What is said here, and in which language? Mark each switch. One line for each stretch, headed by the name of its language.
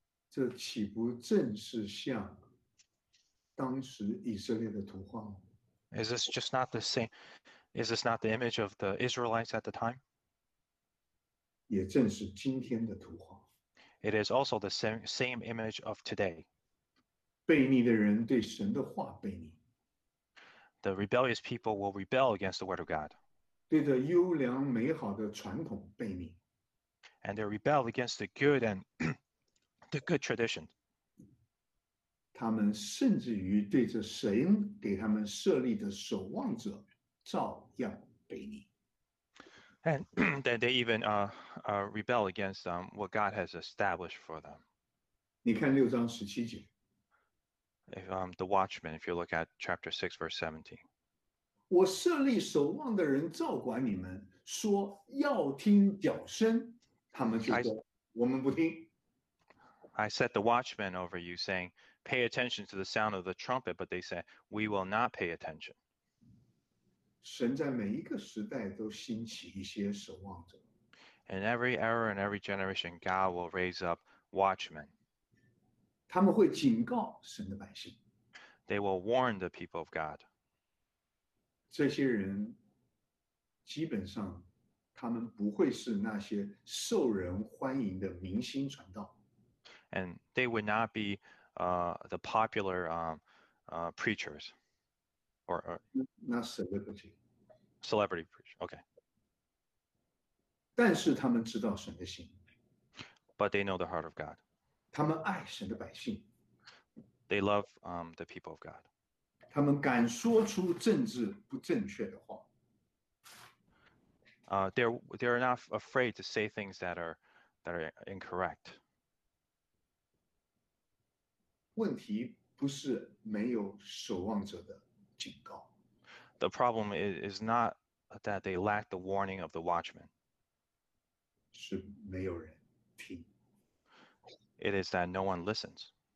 Chinese: 这岂不正是像当时以色列的图画
English: ？Is this just not the same? Is this not the image of the Israelites at the time?
Chinese: 也正是今天的图画。
English: It is also the same image of today.
Chinese: 悖逆的人对神的话悖逆。
English: The rebellious people will rebel against the word of God.
Chinese: 对着优良美好的传统悖逆。
English: And they rebel against the good and the good tradition.
Chinese: 他们甚至于对着神给他们设立的守望者照样悖逆。
English: And that they even rebel against what God has established for them.
Chinese: 你看六章十七节。
English: If, the watchman, if you look at chapter 6, verse 17.
Chinese: 我设立守望的人照管你们，说要听角声，他们就说我们不听。
English: I set the watchman over you, saying, pay attention to the sound of the trumpet, but they said, we will not pay attention.
Chinese: 神在每一个时代都兴起一些守望者。
English: In every era and every generation, God will raise up watchmen.
Chinese: 他们会警告神的百姓。
English: They will warn the people of God.
Chinese: 这些人基本上他们不会是那些受人欢迎的明星传道。
English: And they would not be the popular preachers. Or not celebrity. Celebrity preacher, okay.
Chinese: 但是他们知道神的心。
English: But they know the heart of God.
Chinese: 他们爱神的百姓。
English: They love the people of God.
Chinese: 他们敢说出政治不正确的话。
English: They're not afraid to say things that are incorrect.
Chinese: 问题不是没有守望者的。
English: The problem is not that they lack the warning of the watchman.
Chinese: 是没有人听。
English: it is that no one listens.